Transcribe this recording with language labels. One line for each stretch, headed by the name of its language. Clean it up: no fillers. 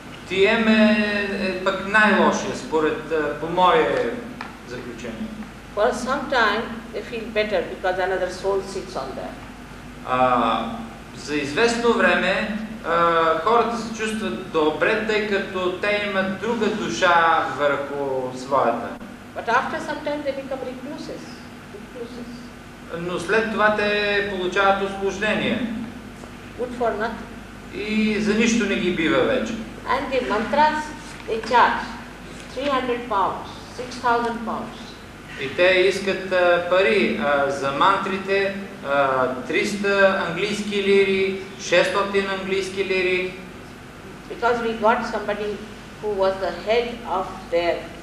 Bulgarian: TM е пък най-лошия, според по мое заключение.
English: For some time they feel better because another soul sits on there.
Bulgarian: За известно време хората се чувстват добре, тъй като те имат друга душа върху своята.
English: But after some time they become recluses. Recluses.
Bulgarian: Но след това те получават усложнения.
English: Good for nothing.
Bulgarian: И за нищо не ги бива вече.
English: And the mantras, they charge 300 pounds, 6,000 pounds.
Bulgarian: И те искат пари за мантрите, 300 английски лири, 600 английски лири.
English: Because we got somebody who was the head of their